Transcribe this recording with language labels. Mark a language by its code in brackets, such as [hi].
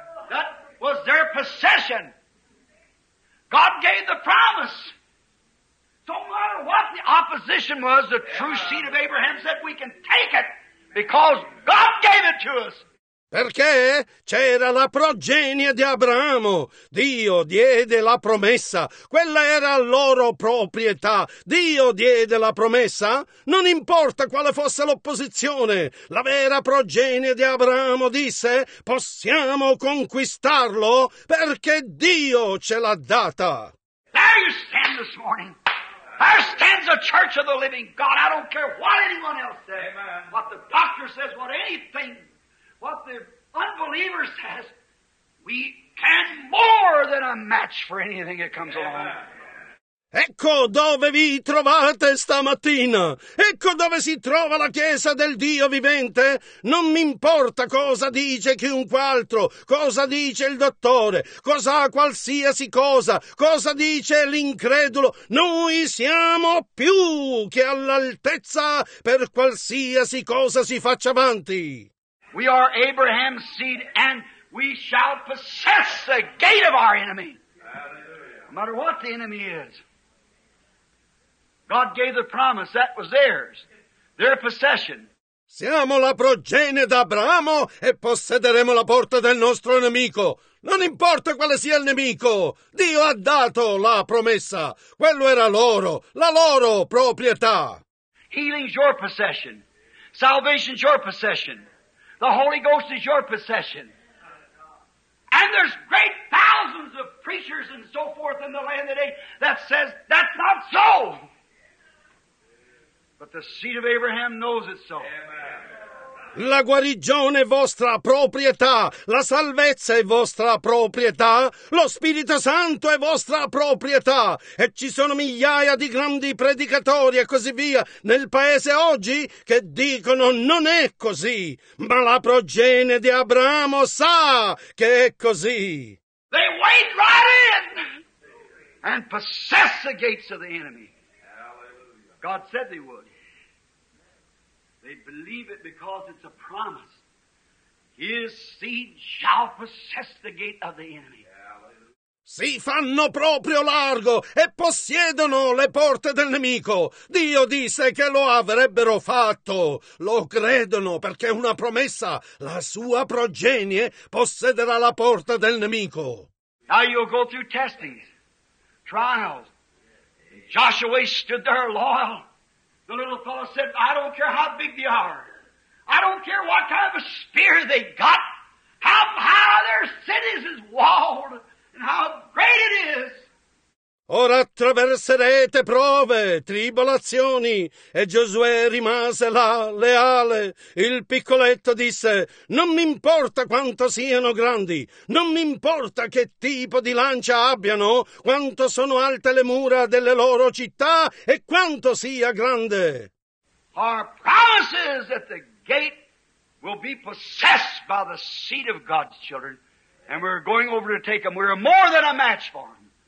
[en] That was their possession. God gave the promise. So no matter what the opposition was, the true seed of Abraham said, we can take it because God gave it to us. [it] Perché c'era la progenie di Abramo. Dio diede la promessa. Quella era loro proprietà. Dio diede la promessa. Non importa quale fosse l'opposizione. La vera progenie di Abramo disse, possiamo conquistarlo perché Dio ce l'ha data. [en] There you stand this morning. There stands the church of the living God. I don't care what anyone else says. Amen. What the doctor says, what anything, what the unbeliever says, we can more than a match for anything that comes along. [it] Ecco dove vi trovate stamattina. Ecco dove si trova la Chiesa del Dio vivente. Non mi importa cosa dice chiunque altro, cosa dice il dottore, cosa qualsiasi cosa, cosa dice l'incredulo. Noi siamo più che all'altezza per qualsiasi cosa si faccia avanti. [en] We are Abraham's seed, and we shall possess the gate of our enemy. Hallelujah. No matter what the enemy is. God gave the promise. That was theirs. Their possession. [it] Siamo la progenie d'Abramo e possederemo la porta del nostro nemico. Non importa quale sia il nemico. Dio ha dato la promessa. Quello era loro, la loro proprietà. [en] Healing's your possession. Salvation's your possession. The Holy Ghost is your possession. And there's great thousands of preachers and so forth in the land today that says that's not so. But the seed of Abraham knows it's so. Amen. [it] La guarigione è vostra proprietà, la salvezza è vostra proprietà, lo Spirito Santo è vostra proprietà, e ci sono migliaia di grandi predicatori e così via nel paese oggi che dicono non è così, ma la progenie di Abramo sa che è così. [en] They wade right in and possess the gates of the enemy. God said they would. They believe it because it's a promise. His seed shall possess the gate of the enemy. [it] Si fanno proprio largo e possiedono le porte del nemico. Dio disse che lo avrebbero fatto. Lo credono perché è una promessa. La sua progenie possederà la porta del nemico. [en] Now you'll go through testings, trials. Joshua stood there loyal. The little fellow said, I don't care how big they are. I don't care what kind of a spear they got, how high their cities is walled, and how great it is. [it] Ora attraverserete prove, tribolazioni. E Giosuè rimase là, leale. Il piccoletto disse, non mi importa quanto siano grandi, non mi importa che tipo di lancia abbiano, quanto sono alte le mura delle loro città e quanto sia grande. [en] Our promise is that the gate will be possessed by the seed of God's children, and we're going over to take them. We're more than a match for them.